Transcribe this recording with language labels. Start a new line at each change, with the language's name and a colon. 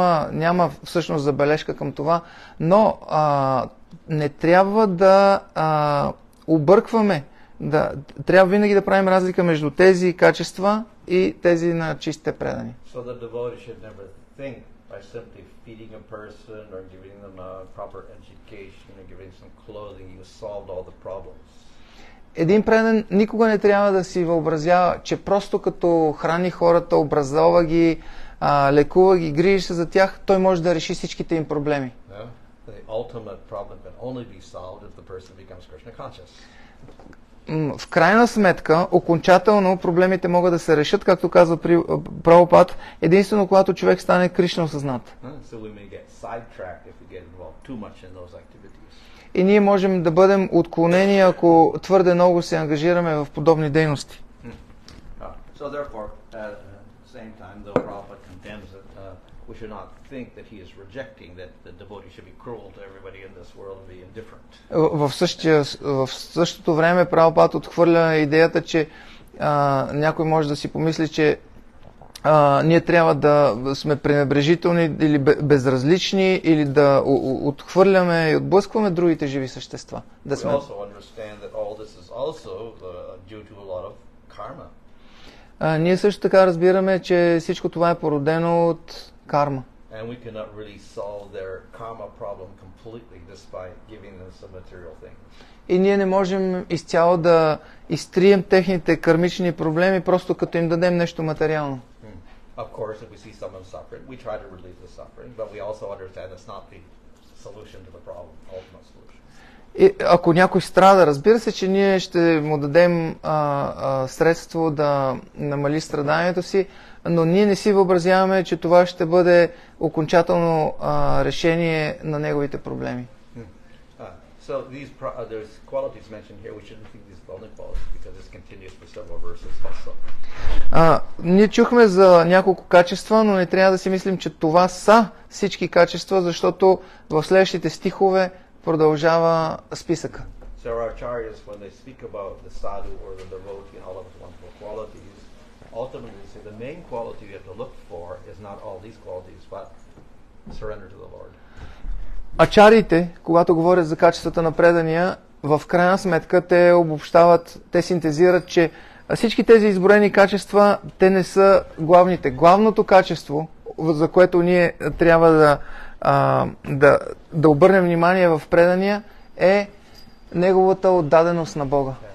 Bulgarian: Няма всъщност забележка към това, но не трябва да объркваме. Да, трябва винаги да правим разлика между тези качества и тези на чистите предани.
English: So the devotee should never think by simply feeding a person or giving them a proper education or giving some clothing, you solved all the problems.
Bulgarian: Един предан никога не трябва да си въобразява, че просто като храни хората, образова ги, лекува ги, грижи се за тях, той може да реши всичките им проблеми.
English: Yeah. The ultimate problem can only be solved if the person becomes Krishna conscious.
Bulgarian: В крайна сметка, окончателно проблемите могат да се решат, както казва Прабхупад, единствено когато човек стане Кришна осъзнат.
English: So we may get sidetracked if we get involved too much in those activities.
Bulgarian: и ние можем да бъдем отклонени, ако твърде много се ангажираме в подобни дейности.
English: So therefore, at the same time, the prophet condemns that we should not think that he is rejecting that the devotee should be cruel to everybody in this world and be indifferent.
Bulgarian: В същото време Прабхупад отхвърля идеята, че някой може да си помисли, че ние трябва да сме пренебрежителни или безразлични, или да отхвърляме и отблъскваме другите живи същества. Да сме.
English: We also understand that all this is also due to a lot of karma.
Bulgarian: Ние също така разбираме, че всичко това е породено от карма.
English: And we cannot really solve their karma problem completely despite giving them some material things.
Bulgarian: И ние не можем изцяло да изтрием техните кармични проблеми, просто като им дадем нещо материално.
English: Of course, if we see someone suffering, we try to relieve the suffering, but we also understand it's not the solution to the problem, ultimate solution.
Bulgarian: И ако някой страда, разбира се, че ние ще му дадем средство да намали страданието си, но ние не си въобразяваме, че това ще бъде окончателно решение на неговите проблеми.
English: So these there's qualities mentioned here, we shouldn't think these only qualities because it's continuous for several verses also.
Bulgarian: Ние чухме за няколко качества, но не трябва да си мислим, че това са всички качества, защото в следващите стихове продължава списъка.
English: So our acharyas, when they speak about the sadhu or the devotee and all of his wonderful qualities, ultimately say the main quality we have to look for is not all these qualities, but surrender to the Lord.
Bulgarian: Ачарите, когато говорят за качествата на предания, в крайна сметка те обобщават, те синтезират, че всички тези изброени качества, те не са главните. Главното качество, за което ние трябва да обърнем внимание в предания, е неговата отдаденост на Бога.